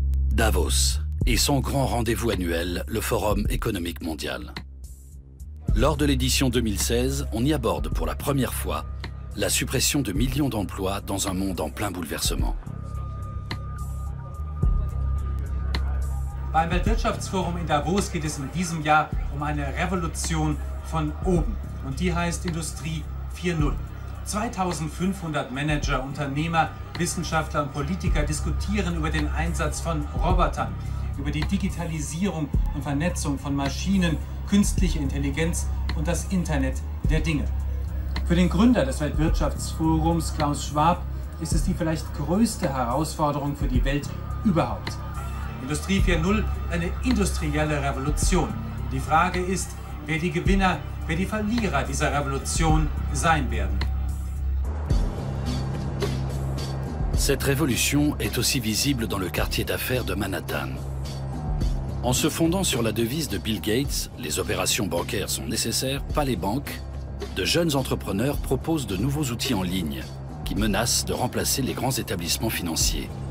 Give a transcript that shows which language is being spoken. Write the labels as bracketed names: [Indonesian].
[French] Davos et son grand rendez-vous annuel, le Forum économique mondial. Lors de l'édition 2016, on y aborde pour la première fois la suppression de millions d'emplois dans un monde en plein bouleversement. [German] Beim Weltwirtschaftsforum in Davos geht es in diesem Jahr um eine Revolution von oben. Und die heißt Industrie 4.0. 2500 Manager, Unternehmer, Wissenschaftler und Politiker diskutieren über den Einsatz von Robotern, über die Digitalisierung und Vernetzung von Maschinen, künstliche Intelligenz und das Internet der Dinge. Für den Gründer des Weltwirtschaftsforums, Klaus Schwab, ist es die vielleicht größte Herausforderung für die Welt überhaupt. Industrie 4.0, eine industrielle Revolution. Die Frage ist, wer die Gewinner, wer die Verlierer dieser Revolution sein werden. [French] Cette révolution est aussi visible dans le quartier d'affaires de Manhattan. En se fondant sur la devise de Bill Gates, les opérations bancaires sont nécessaires, pas les banques, de jeunes entrepreneurs proposent de nouveaux outils en ligne qui menacent de remplacer les grands établissements financiers.